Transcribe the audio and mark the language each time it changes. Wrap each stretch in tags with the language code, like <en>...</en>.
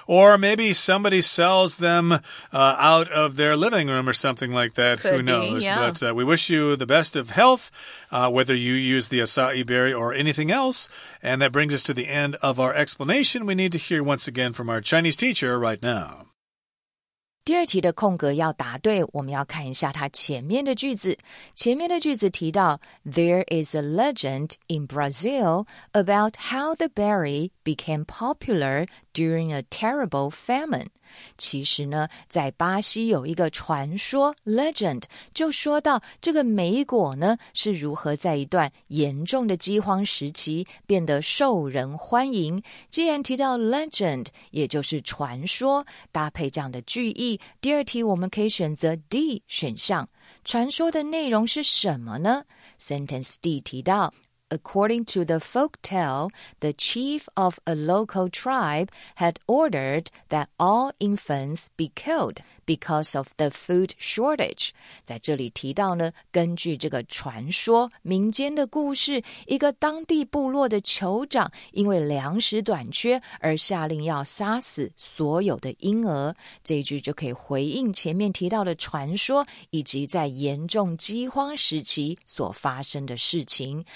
<en>Or maybe somebody sells them out of their living room or something like that. Could Who be, knows? Yeah. But we wish you the best of health, whether you use the acai berry or anything else. And that brings us to the end of our explanation. We need to hear once again from our Chinese teacher right now.</en> <zh>第二题的空格要答对，我们要看一下它前面的句子。前面的句子提到</zh> <en>There is a legend in Brazil about how the berry became popular during a terrible famine.</en> <zh>其实呢，在巴西有一个传说 legend， 就说到这个莓果呢是如何在一段严重的饥荒时期变得受人欢迎。既然提到 legend， 也就是传说，搭配这样的句意，第二题我们可以选择 D 选项。传说的内容是什么呢？</zh> <en>Sentence D 提到According to the folktale, the chief of a local tribe had ordered that all infants be killed because of the food shortage.</en> <zh>在这里提到呢，根据这个传说，民间的故事，一个当地部落的酋长因为粮食短缺而下令要杀死所有的婴儿。这一句就可以回应前面提到的传说，以及在严重饥荒时期所发生的事情。</zh>